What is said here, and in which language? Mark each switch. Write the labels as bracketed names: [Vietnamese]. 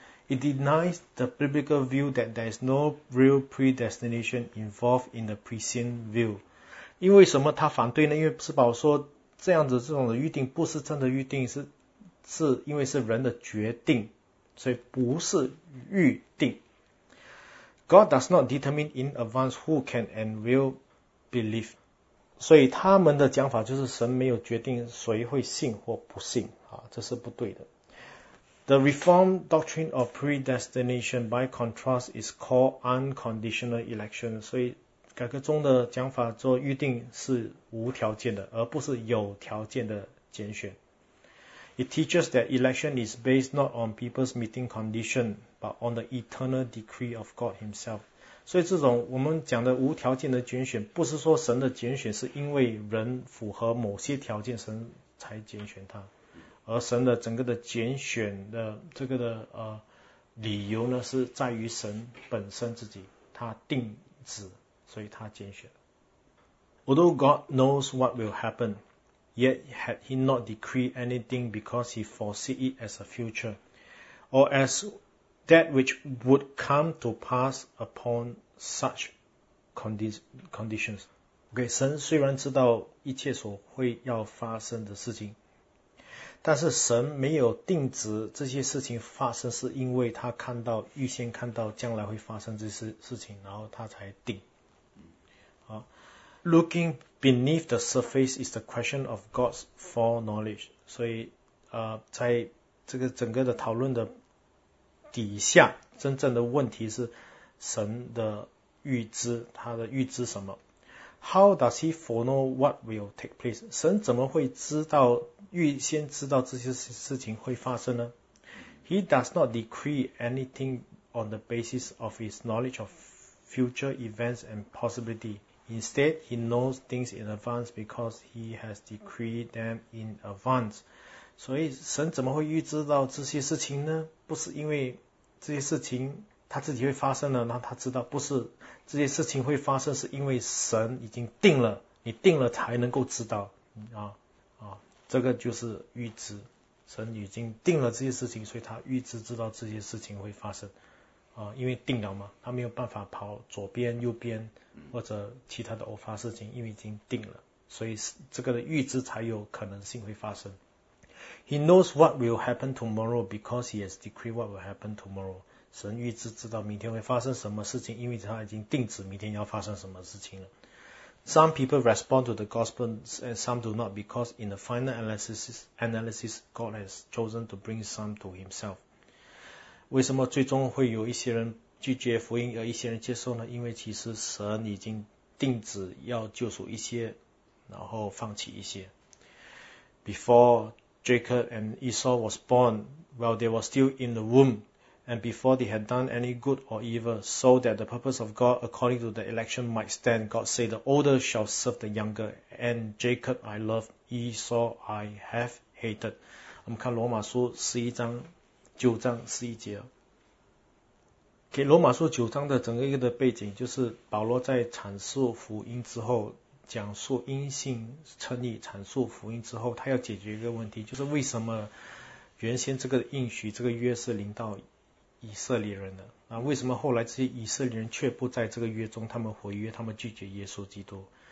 [English] It denies the biblical view that there is no real predestination involved in the prescient view。 [Chinese] 因为什么他反对呢？因为是保罗说这样子这种的预定不是真的预定，是因为是人的决定，所以不是预定。 [English] God does not determine in advance who can and will believe。 [Chinese] 所以他们的讲法就是神没有决定谁会信或不信啊，这是不对的。 [English] The Reformed doctrine of predestination, by contrast, is called unconditional election。 [Chinese] 所以改革中的讲法做预定是无条件的，而不是有条件的拣选。 [English] It teaches that election is based not on people's meeting condition, but on the eternal decree of God Himself. [Chinese] 所以这种我们讲的无条件的拣选，不是说神的拣选是因为人符合某些条件神才拣选他，而神的整个的拣选的这个的理由呢，是在于神本身自己，他定旨，所以他拣选。 [English] Although God knows what will happen, yet had He not decreed anything because He foresees it as a future, or as that which would come to pass upon such conditions. [Chinese] OK, 神虽然知道一切所会要发生的事情，但是神没有定旨这些事情发生，是因为他看到，预先看到将来会发生这些事情，然后他才定。 [English] Looking beneath the surface is the question of God's foreknowledge. [Chinese] 所以在这个整个的讨论的底下，真正的问题是神的预知，他的预知什么？ [English] How does he foreknow what will take place? [Chinese] 神怎么会知道，预先知道这些事情会发生呢？ [English] He does not decree anything on the basis of his knowledge of future events and possibility. Instead, he knows things in advance because he has decreed them in advance. [Chinese] 所以神怎么会预知到这些事情呢？不是因为这些事情他自己会发生了，那他知道，不是这些事情会发生，是因为神已经定了，你定了才能够知道这个就是预知，神已经定了这些事情，所以他预知知道这些事情会发生因为定了嘛，他没有办法跑左边右边或者其他的偶发事情，因为已经定了，所以这个的预知才有可能性会发生。 [English] He knows what will happen tomorrow because he has decreed what will happen tomorrow. [Chinese] 神预知知道明天会发生什么事情，因为他已经定旨明天要发生什么事情了。 [English] Some people respond to the gospel and some do not, because in the final analysis, God has chosen to bring some to himself. [Chinese] 为什么最终会有一些人拒绝福音而一些人接受呢？因为其实神已经定旨要救赎一些，然后放弃一些。 [English] Before Jacob and Esau was born, while they were still in the womb, and before they had done any good or evil, so that the purpose of God according to the election might stand, God said, the older shall serve the younger, and Jacob I love, Esau I have hated. [Chinese] 我们看罗马书9:11。 Okay, 罗马书九章的整个一个的背景，就是保罗在阐述福音之后，讲述因信称义，阐述福音之后，他要解决一个问题，就是为什么原先这个应许，这个约是临到以色列人的，那为什么后来这些以色列人却不在这个约中，他们毁约，他们拒绝耶稣基督。